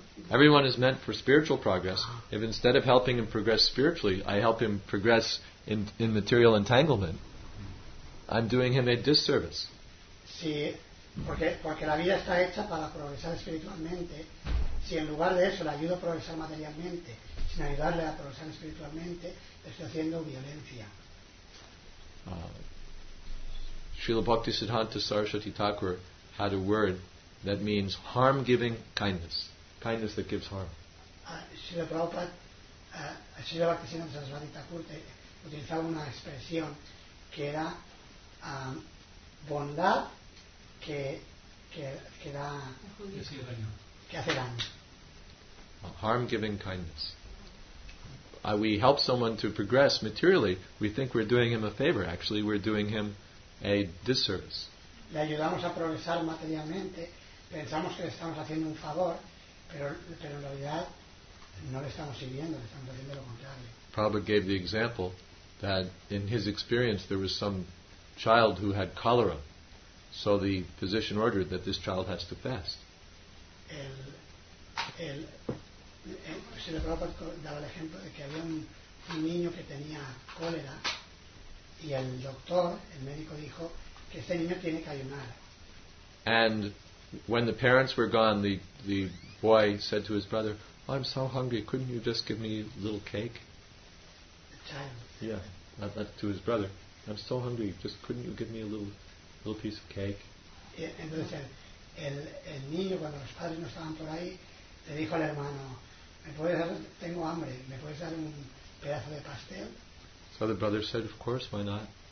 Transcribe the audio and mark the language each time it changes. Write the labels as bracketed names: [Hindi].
[English] Everyone is meant for spiritual progress. If instead of helping him progress spiritually, I help him progress in material entanglement, I'm doing him a disservice. [Spanish] Sí, porque la vida está hecha para progresar espiritualmente. Si en lugar de eso le ayudo a progresar materialmente, sin ayudarle a progresar espiritualmente, le estoy haciendo violencia. [English] Srila Bhaktisiddhanta Saraswati Thakur had a word that means harm-giving kindness that gives harm. [Spanish] Srila Prabhupada, Srila Bhaktisiddhanta Saraswati Thakur utilizaba una expresión que era bondad que da que hace daño. [English] Harm-giving kindness. We help someone to progress materially, we think we're doing him a favor. Actually, we're doing him a disservice. [Spanish] Le ayudamos a progresar materialmente, pensamos que le estamos haciendo un favor, pero en realidad no le estamos sirviendo, le estamos haciendo lo contrario. [English] Prabhupada gave the example that in his experience there was some child who had cholera, so the physician ordered that this child has to fast. [Spanish] Se le daba el ejemplo de que había un niño que tenía cólera. Y el doctor, el médico dijo que este niño tiene que ayunar. [English] And when the parents were gone, the boy said to his brother, oh, I'm so hungry, couldn't you just give me a little cake? The child. Yeah, that to his brother. I'm so hungry, just couldn't you give me a little piece of cake? [Spanish] Entonces el niño, cuando los padres no estaban por ahí, le dijo al hermano, tengo hambre, ¿me puedes dar un pedazo de pastel? [English] So the brother said, of course, why not?